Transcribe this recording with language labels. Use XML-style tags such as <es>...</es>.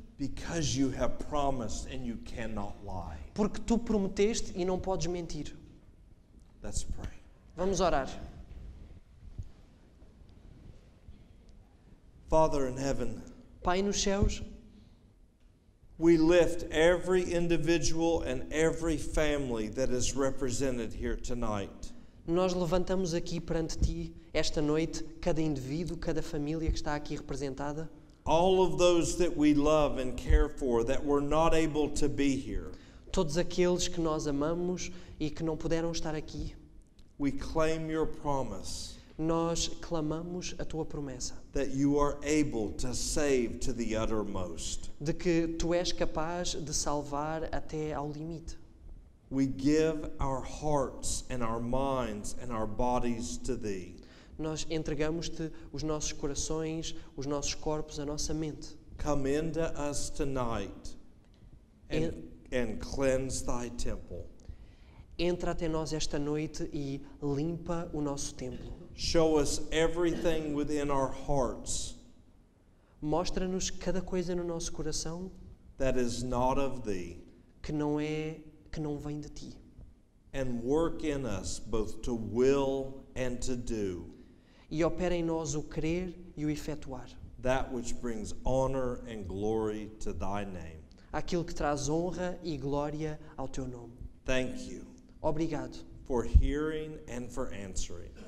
<en>Because you have promised and you cannot lie.</en> <pt>Porque tu prometeste e não podes mentir.</pt> <en>Let's pray.</en> <pt>Vamos orar.</pt> <en>Father in heaven.</en> <pt>Pai nos céus.</pt> <en>We lift every individual and every family that is represented here tonight.</en> <pt>Nós levantamos aqui perante ti esta noite cada indivíduo, cada família que está aqui representada.</pt> <en>All of those that we love and care for that were not able to be here.</en> <pt>Todos aqueles que nós amamos e que não puderam estar aqui.</pt> <en>We claim your promise.</en> <pt>Nós clamamos a tua promessa.</pt> <en>That you are able to save to the uttermost.</en> <pt>De que tu és capaz de salvar até ao limite.</pt> <en>We give our hearts and our minds and our bodies to thee.</en> <pt>Nós entregamos-te os nossos corações, os nossos corpos, a nossa mente.</pt> <en>Come into us tonight and cleanse thy temple.</en> <pt>Entra até nós esta noite e limpa o nosso templo.</pt> <en>Show us everything within our hearts.</en> <pt>Mostra-nos cada coisa no nosso coração</pt> <en>that is not of thee.</en> <pt>Que não vem de ti.</pt> <en>And work in us both to will and to do.</en> <pt>E opera em nós o querer e o efetuar.</pt> <en>That which brings honor and glory to thy name.</en> <pt>Aquilo que traz honra e glória ao teu nome.</pt> <en>Thank you.</en> <pt>Obrigado.</pt> <en>For hearing and for answering.</en>